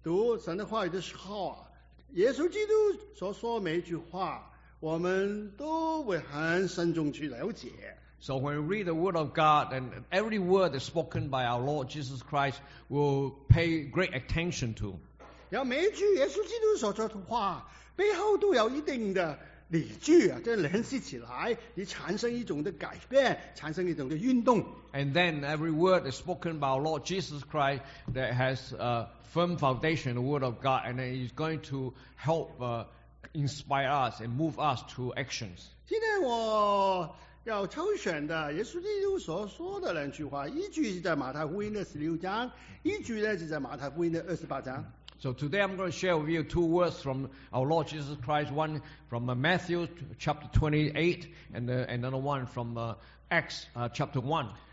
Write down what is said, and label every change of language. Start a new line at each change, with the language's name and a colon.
Chinese: 那么，当我们读神的话语的时候啊。耶稣基督所说每一句话，我们都会很慎重去了解。
English: So when we read the word of God, and every word is spoken by our Lord Jesus Christ, we'll pay great attention to.
Chinese: 然后每一句耶稣基督所说的话，背后都有一定的理据啊，就联系起来，你产生一种的改变，产生一种的运动。
English: And then every word is spoken by our Lord Jesus Christ that has a firm foundation, the word of God, and then it's going to help inspire us and move us to actions.
Chinese: 今天我要挑选的耶稣基督所说的两句话，一句是在马太福音的16章，一句呢是在马太福音的28章。
English: So today I'm going to share with you two words from our Lord Jesus Christ, one from Matthew chapter 28, and another one from Acts chapter 1.